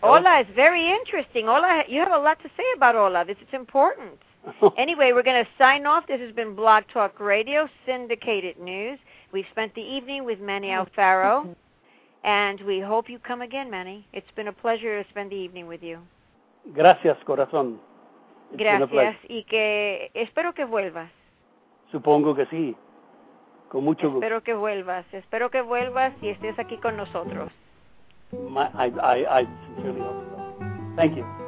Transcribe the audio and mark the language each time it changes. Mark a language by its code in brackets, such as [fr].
[en] Ola is very interesting. Ola, you have a lot to say about Ola. It's important. Anyway, we're going to sign off. This has been Blog Talk Radio, syndicated news. We've spent the evening with Manny Alfaro, and we hope you come again, Manny. It's been a pleasure to spend the evening with you. [es] Gracias, corazón. Gracias, y que espero que vuelvas. Supongo que sí, con mucho gusto. Espero que vuelvas y estés aquí con nosotros. [en] I sincerely hope so. Thank you.